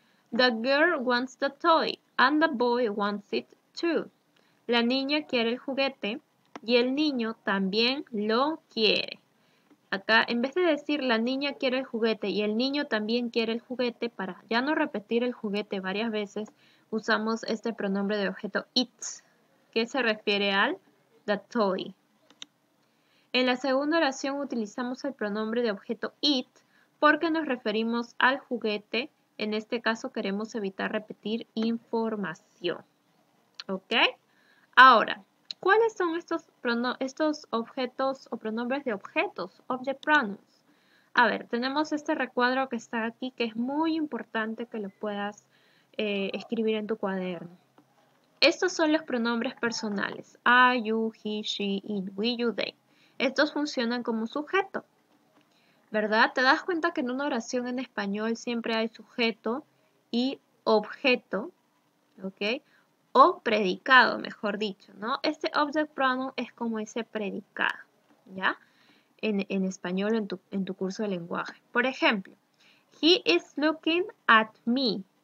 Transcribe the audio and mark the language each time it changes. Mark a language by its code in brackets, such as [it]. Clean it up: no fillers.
[en] The girl wants the toy and the boy wants it too. [es] La niña quiere el juguete y el niño también lo quiere. Acá, en vez de decir la niña quiere el juguete y el niño también quiere el juguete, para ya no repetir el juguete varias veces, usamos este pronombre de objeto it, que se refiere al the toy. En la segunda oración utilizamos el pronombre de objeto it porque nos referimos al juguete. En este caso queremos evitar repetir información. ¿Ok? Ahora, ¿cuáles son estos objetos o pronombres de objetos? [en] Object pronouns. [es] A ver, tenemos este recuadro que está aquí que es muy importante que lo puedas escribir en tu cuaderno. Estos son los pronombres personales. [en] I, you, he, she, it, we, you, they. [es] Estos funcionan como sujeto, ¿verdad? ¿Te das cuenta que en una oración en español siempre hay sujeto y objeto, ¿ok? O predicado, mejor dicho, ¿no? Este object pronoun es como ese predicado, ¿ya? En español, en tu curso de lenguaje. Por ejemplo, [en] he is looking at me.